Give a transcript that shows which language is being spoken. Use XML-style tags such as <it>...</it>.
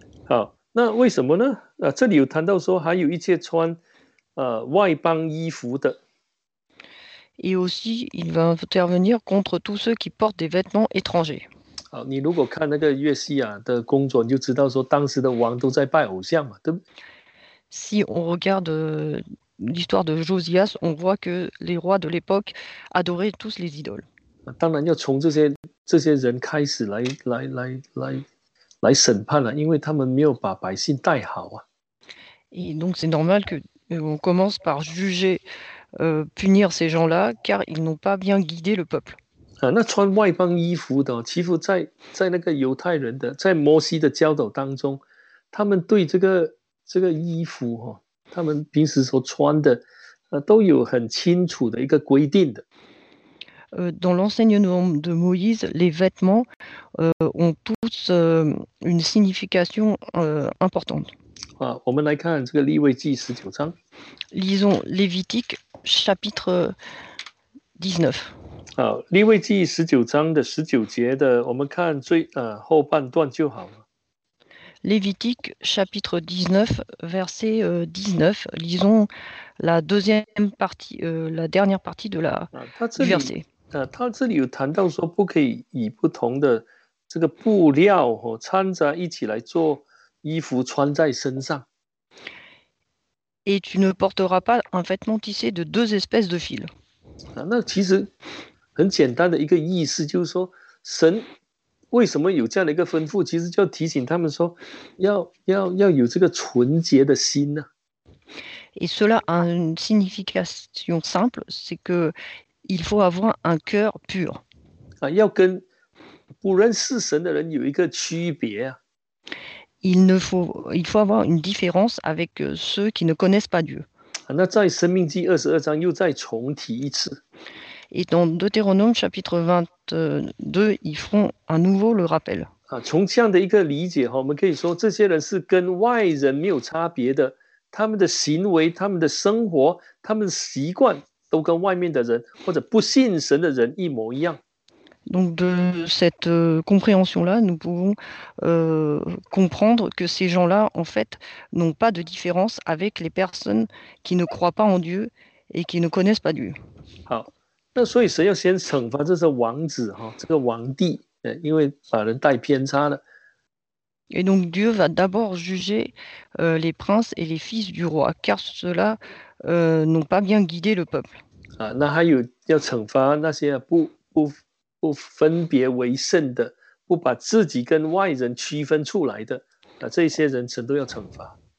<zh>好，那为什么呢？这里有谈到说，还有一些穿外邦衣服的。</zh> <fr>Et aussi, il va intervenir contre tous ceux qui portent des vêtements étrangers.</fr> <zh>好，你如果看那个约西亚的工作，你就知道说当时的王都在拜偶像嘛，对不对？</zh> <fr>Si on regarde l'histoire de Josias, on voit que les rois de l'époque adoraient tous les idoles.</fr> <zh>当然要从这些人开始来审判了，因为他们没有把百姓带好啊。</zh> <fr>Et donc c'est normal que on commence par juger, punir ces gens-là, car ils n'ont pas bien guidé le peuple.</fr> <zh>啊，那穿外邦衣服的，其实在那个犹太人的，在摩西的教导当中，他们对这个衣服哈，他们平时所穿的，都有很清楚的一个规定的。</zh> <fr>Dans l'enseignement de Moïse, les vêtements ont tous une signification importante. Ah, on va voir ce que Lévitique 19 章. Lisons Lévitique chapitre 19.</fr> <zh>Ah, Lévitique 19 章的19节的，我们看最后半段就好了。</zh> <fr>Lévitique chapitre 19 verset 19. Lisons la deuxième partie, la dernière partie de la verset.</fr> <zh>他这里有谈到说，不可以以不同的这个布料和掺杂一起来做衣服穿在身上。</zh> <fr>Et tu ne porteras pas un vêtement tissé de deux espèces de fil.</fr> <zh>那其实很简单的一个意思就是说，神为什么有这样的一个吩咐？其实就提醒他们说，要有这个纯洁的心呢。</zh> <fr>Et cela a une signification simple, c'est que il faut avoir un cœur pur.</fr> <zh>啊，要跟不认识神的人有一个区别啊。</zh> <fr>Il faut avoir une différence avec ceux qui ne connaissent pas Dieu.</fr> <zh>啊，那在《生命记》二十二章又再重提一次。</zh> <fr>Et dans Deutéronome chapitre 22, ils font à nouveau le rappel.</fr> <zh>啊，从这样的一个理解哈，我们可以说这些人是跟外人没有差别的，他们的行为、他们的生活、他们的习惯。都跟外面的人或者不信神的人一模一样。</zh> <fr>Donc de cette compréhension-là, nous pouvons comprendre que ces gens-là, en fait, n'ont pas de différence avec les personnes qui ne croient pas en Dieu et qui ne connaissent pas Dieu.</fr> <zh>好，那所以神要先惩罚这些王子哈，这个王帝，因为把人带偏差了。</zh> <fr>Et donc Dieu va d'abord juger les princes et les fils du roi, car cela n'ont pas bien guidé le peuple.</fr> <zh>啊，那还有要惩罚那些不分别为圣的，不把自己跟外人区分出来的，那这些人神都要惩罚。</zh>